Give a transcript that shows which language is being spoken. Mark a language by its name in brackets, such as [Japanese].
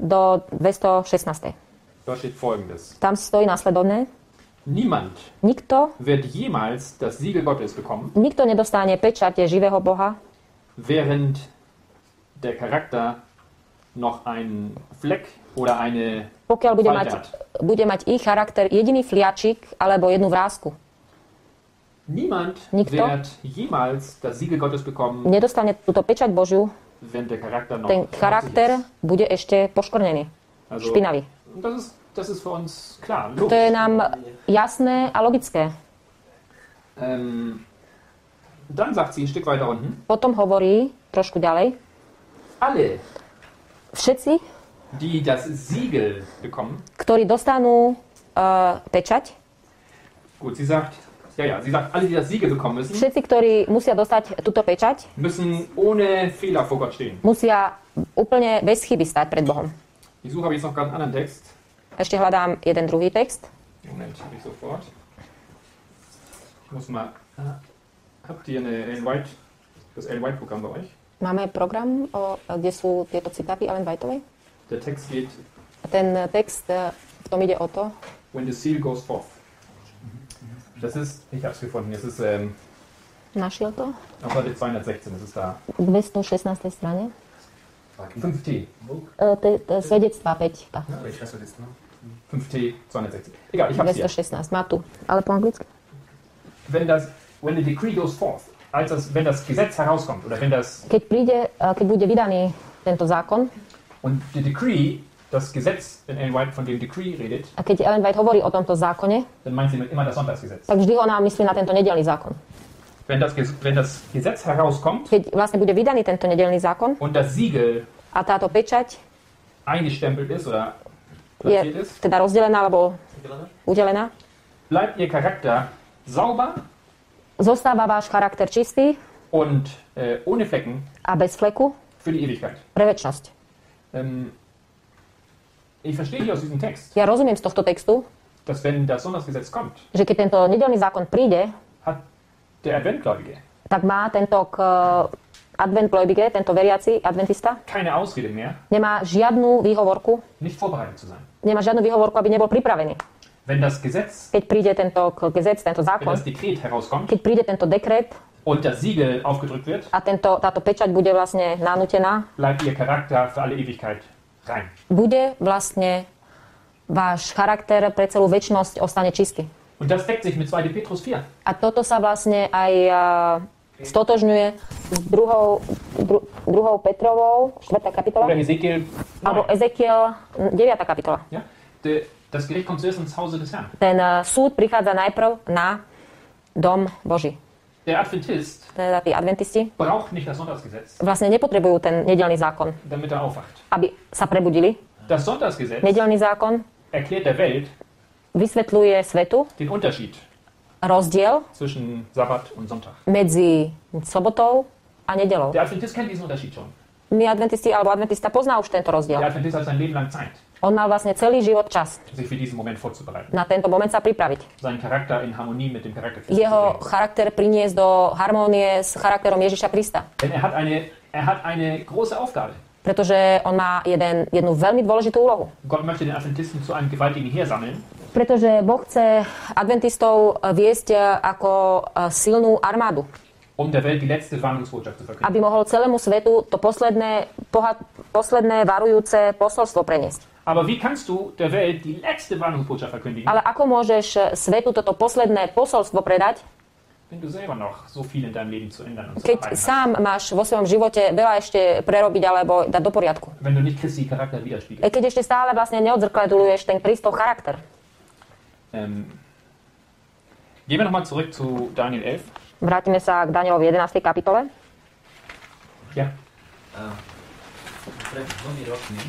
[Slovak] Do 216. [German] Dort steht folgendes. [Slovak] Tam stojí nasledovné. [German] Niemand. [Slovak] Nikto. [German] Wird jemals das Siegel Gottes bekommen. [Slovak] Nikto nedostane pečate živého Boha. [German] Während der Charakter noch ein Fleck oder eine [Slovak] pokiaľ bude mať i charakter jediný fliačik alebo jednu vrásku. [German] Niemand wird jemals das Siegel Gottes bekommen. [Slovak] Nedostane túto pečať Božiu. [German] Wenn der Charakter noch [Slovak] ten charakter bude ešte poškornený. Also, špinavý. [German] Das ist für uns klar. [Slovak] To je nám jasné a logické. [German] Dann sagt sie ein Stück weiter unten. [Slovak] Potom hovorí trošku ďalej. [German] Alle [Slovak] všetci, [German] die das Siegel bekommen, [Slovak] ktorí dostanú pečať. [German] Gut, sie sagt, sie sagt, alle, die das Siegel bekommen müssen. [Slovak] Všetci, ktorí musia dostať túto pečať, [German] müssen ohne Fehler vor Gott stehen. [Slovak] Musia úplne bez chyby stať pred Bohom. [German] Ich suche jetzt noch einen anderen Text. [Slovak] Ešte hľadám jeden druhý text. [German] Moment, nicht sofort. Ich muss mal. Habt ihr eine Ellen White, das Ellen White Programm bei euch? [Slovak] Máme program, kde sú tieto citáty Ellen Whiteovej? [English] The text geht, [Slovak] ten text, v tom ide o to. [English] When the seal goes forth. [German] Das ist, ich hab's gefunden, es ist [Slovak] našiel to? [German] Na seite 216, es ist da. [Slovak] 216. strane. 5T. Svedectvá 5. [German] 5T, 216. Egal, ich hab's [Slovak] 216, má tu, ale po anglicky. [English] When the decree goes forth, [German] als das, wenn das Gesetz herauskommt oder wenn das [Slovak] keď príde, keď bude vydaný tento zákon [German] und the decree, das Gesetz in Ellen White von dem decree redet, [Slovak] a keď Ellen White hovorí o tomto zákone, [German] dann meint sie immer das Sonntagsgesetz. [Slovak] Tak vždy ona myslí na tento nedeľný zákon. [German] Wenn das Gesetz herauskommt, [Slovak] keď vlastne bude vydaný tento nedeľný zákon [German] und das Siegel [Slovak] a táto pečať [German] eingestempelt ist oder [Slovak] je teda rozdelená alebo udelená, [German] bleibt ihr Charakter sauber, [Slovak] zostáva váš charakter čistý [German] und ohne Flecken [Slovak] a bez fleku [German] für die Ewigkeit, [Slovak] pre večnosť. [German] Ich verstehe hier aus diesem Text, [Slovak] ja rozumiem z tohto textu, [German] dass wenn das Sonntagsgesetz kommt, [Slovak] že keď tento nedeľný zákon príde, [German] hat der Adventgläubige, [Slovak] tak má tento Adventgläubige, tento veriaci adventista, [German] keine Ausrede mehr, [Slovak] nemá žiadnu výhovorku [German] nicht vorbereitet zu sein, [Slovak] nemá žiadnu výhovorku, aby nebol pripravený. [German] Wenn das Gesetz, [Slovak] keď príde tento zákon, [German] wenn das Dekret herauskommt, [Slovak] keď príde tento dekret [German] und das Siegel aufgedrückt wird, [Slovak] a táto pečať bude vlastne nanútená, [German] bleibt ihr Charakter für alle Ewigkeit rein. [Slovak] Bude vlastne váš charakter pre celú večnosť ostane čistý. [German] Und das deckt sich mit 2. Petrus 4. [Slovak] A toto sa vlastne aj stotožňuje s druhou Petrovou, 4. kapitola, alebo Ezekiel 9. kapitola. [German] Ja? Das Gericht kommt zuerst ins Hause des Herrn. [Slovak] Ten súd prichádza najprv na dom Boží. [German] Der Adventist, [Slovak] teda tí adventisti, [German] braucht nicht das Sonntagsgesetz, [Slovak] vlastne nepotrebujú ten nedeľný zákon, [German] damit er aufwacht, [Slovak] aby sa prebudili. [German] Das Sonntagsgesetz, [Slovak] nedeľný zákon, [German] erklärt der Welt, [Slovak] vysvetľuje svetu [German] den Unterschied, [Slovak] rozdiel [German] zwischen Sabbat und Sonntag, [Slovak] medzi sobotou a nedeľou. [German] Der Adventist kennt diesen Unterschied schon. [Slovak] My adventisti alebo adventista pozná už tento rozdiel. [German] Der Adventist hat sein Leben lang Zeit. [Slovak] On mal vlastne celý život čas [German] sich für diesen Moment vorzubereiten. [Slovak] Na tento moment sa pripraviť. [German] Sein Charakter in Harmonie mit dem Charakter [Slovak] Christi. Jeho charakter priniesť do harmonie s charakterom Ježiša Krista. [German] Denn er hat eine große Aufgabe. [Slovak] Pretože on má jednu veľmi dôležitú úlohu. [German] Gott möchte den Adventisten zu einem gewaltigen Heer sammeln. [Slovak] Pretože Boh chce adventistov viesť ako silnú armádu. [German] Um der Welt die letzte Warnungsbotschaft zu verkünden. [Slovak] Aby mohol celému svetu to posledné varujúce posolstvo preniesť. [German] Aber wie kannst du der Welt die letzte Warnungsbotschaft verkündigen? [Slovak] Ale ako môžeš svetu toto posledné posolstvo predať? [German] Wenn du selber noch so viel in deinem Leben zu ändern und zu [Slovak] keď sám [German] hast. [Slovak] Máš vo svojom živote veľa ešte prerobiť alebo dať do poriadku. [German] Wenn du nicht Christi charakter widerspiegelst. [Slovak] Keď ešte stále vlastne neodzrkadľuješ ten Kristov charakter. [German] Gehen wir nochmal zurück zu Daniel 11. [Slovak] Vrátime sa k Danielovi 11. kapitole. [German] Ja. [Slovak] Pred dvomi rokmi.